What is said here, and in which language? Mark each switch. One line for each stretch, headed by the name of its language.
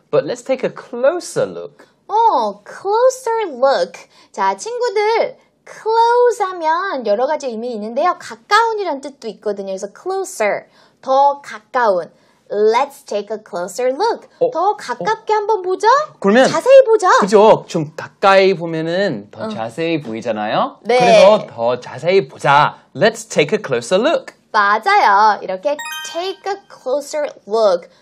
English: But let's take a closer look.
Korean: Closer look. 자, 친구들. Close 하면 여러 가지 의미 있는데요. 가까운이란 뜻도 있거든요. 그래서 closer, 더 가까운.
English: Let's take a closer look.
Korean: 더 가깝게 한번 보자. 그러면 자세히 보자. 그죠? 좀 가까이 보면은 더 자세히 보이잖아요. 네. 그래서 더 자세히 보자.
English: Let's take a closer look.
Korean: 맞아요.
English: 이렇게 take a closer look.